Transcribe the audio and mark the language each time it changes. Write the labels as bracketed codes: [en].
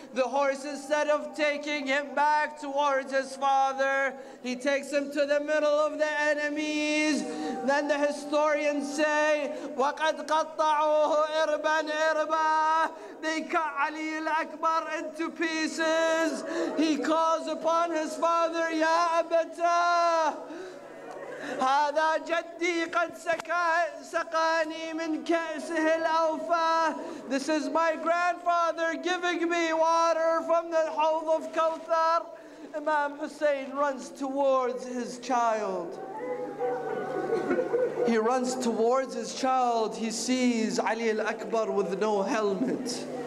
[en] The horse, instead of taking him back towards his father, he takes him to the middle of the enemies. Then the historians say, [ar] وَقَدْ قَطَّعُوهُ إِرْبًا إِرْبًا. [en] They cut Ali al-Akbar into pieces. He calls upon his father, [ar] يَا أَبَتَا. هذا جدي قد سقاني من كأسه الأوفى. [en] This is my grandfather giving me water from the Hawd of Kawthar. Imam Hussein runs towards his child. He runs towards his child. He sees Ali al-Akbar with no helmet.